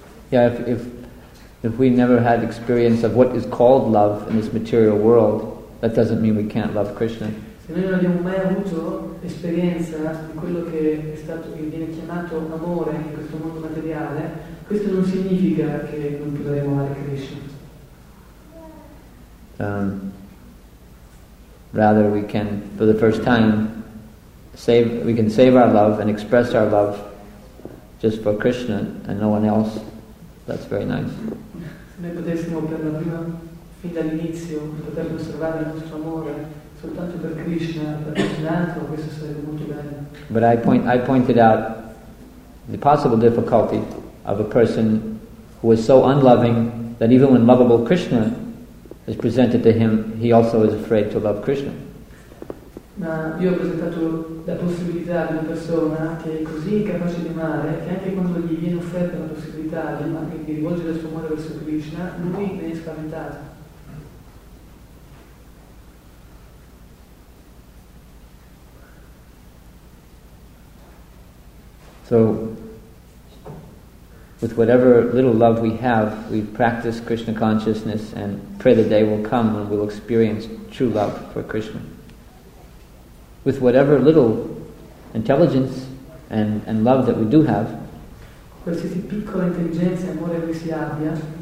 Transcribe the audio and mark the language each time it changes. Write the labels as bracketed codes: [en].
[en] Yeah, if we never had experience of what is called love in this material world, that doesn't mean we can't love Krishna. [it] Se noi non abbiamo mai avuto esperienza di quello che è stato, che viene chiamato amore in questo mondo materiale, questo non significa che non potremo amare Krishna. [en] Rather, we can, for the first time, save our love and express our love just for Krishna and no one else. That's very nice. [it] Se noi potessimo per la prima, fin dall'inizio, poter conservare il nostro amore soltanto per Krishna, per nessun altro, questo sarebbe molto bello. [en] But I pointed out the possible difficulty of a person who is so unloving that even when lovable Krishna is presented to him, he also is afraid to love Krishna. [it] Ma io ho presentato la possibilità di una persona che è così incapace di amare che anche quando gli viene offerta la possibilità di rivolgere il suo amore verso Krishna, lui ne è spaventato. [en] So, with whatever little love we have, we practice Krishna consciousness and pray the day will come when we'll experience true love for Krishna. With whatever little intelligence and love that we do have, [it] qualsiasi piccola intelligenza e amore che si abbia,